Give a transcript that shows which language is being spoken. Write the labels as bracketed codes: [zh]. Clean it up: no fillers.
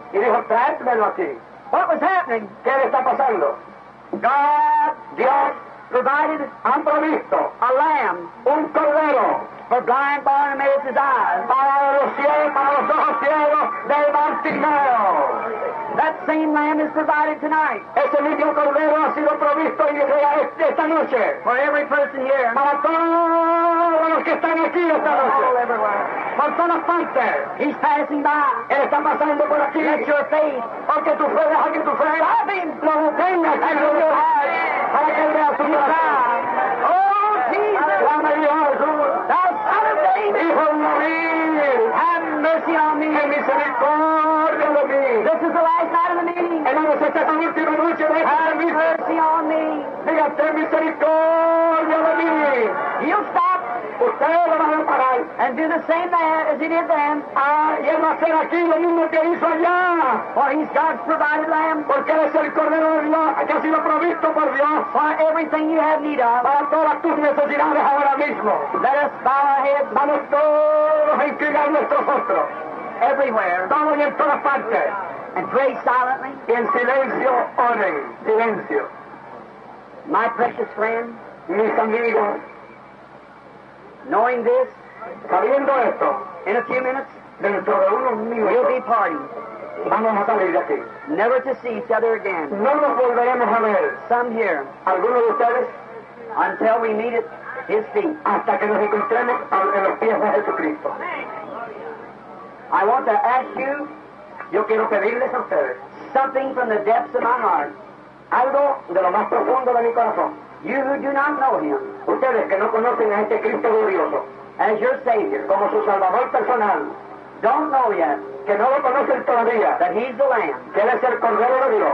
[es] Y dijo, tráemelo aquí. [en] What was happening? [es] ¿Qué le está pasando? [en] God. [es] Dios. [en] Provided. [es] Han provisto. [en] A lamb. [es] Un cordero. [en] For blind Bartimaeus' eyes. [es] Para los ciegos, para los ojos ciegos de Bartimaeo. [en] That same lamb is provided tonight. [es] Ese mismo cordero ha sido provisto esta noche. [en] For every person here. [es] Para todos los que están aquí esta noche. [en] All everywhere. [es] Por todas partes. [en] He's passing by. [es] Él está pasando por aquí. [en] Let your faith. [es] Porque tu fe, deja que tu fe. [en] Stop him. [es] Lo detenga. Que lo vea. Para que él vea su vida. [en] Oh, Jesus. [es] Dame Dios, Jesús. Hijo mío, [en] have mercy on me. [es] Ten misericordia de mí. [en] This is the last night of the meeting. [es] El hombre se está con última noche. [en] Have mercy on me. [es] Diga, ten misericordia de mí. [en] You'll stop. [es] Ustedes lo van a parar. [en] And do the same there as he did then. [es] Y él va a hacer aquí lo mismo que hizo allá. [en] For he's God's provided lamb. [es] Porque él es el cordero de Dios que ha sido provisto por Dios. [en] For everything you have need of. [es] Para todas tus necesidades ahora mismo. [en] Let us bow our heads. [es] Vamos todos a inclinar nuestros rostros. [en] Everywhere. [es] Todos y en todas partes. [en] And pray silently. [es] Y en silencio oren. Silencio. [en] My precious friend. [es] Mis amigos. [en] Knowing this, [es] sabiendo esto, [en] in a few minutes, [es] dentro de unos minutos, [en] we'll be parting. [es] Vamos a salir de aquí. [en] Never to see each other again. [es] No nos volveremos a ver. [en] Some here. [es] Algunos de ustedes. [en] Until we meet at His feet. [es] Hasta que nos encontremos en los pies de Jesucristo. [en] I want to ask you. [es] Yo quiero pedirles a ustedes. [en] Something from the depths of my heart. [es] Algo de lo más profundo de mi corazón. [en] You who do not know Him. [es] Ustedes que no conocen a este Cristo glorioso. [en] As your Savior. [es] Como su Salvador personal. [en] Don't know yet. [es] Que no lo conocen todavía. [en] That He's the Lamb. [es] Que él es el Cordero de Dios.